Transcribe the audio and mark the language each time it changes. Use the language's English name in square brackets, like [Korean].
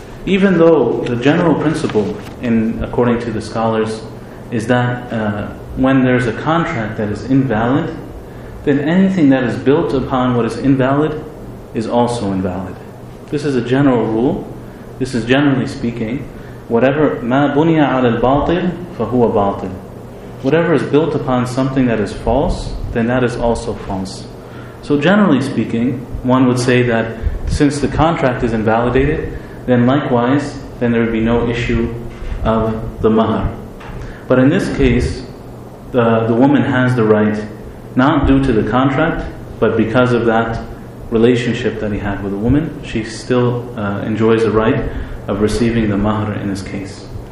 [English] Even though the general principle, according to the scholars, is that when there's a contract that is invalid, then anything that is built upon what is invalid is also invalid. This is a general rule. This is generally speaking. Whatever, [Arabic] مَا بُنِيَ عَلَى الْبَاطِلِ فَهُوَ بَاطِلٍ. [English] Whatever is built upon something that is false, then that is also false. So generally speaking, one would say that since the contract is invalidated, then likewise, then there would be no issue of the mahr. But in this case, the woman has the right, not due to the contract, but because of that relationship that he had with the woman, she still enjoys the right of receiving the mahr in this case.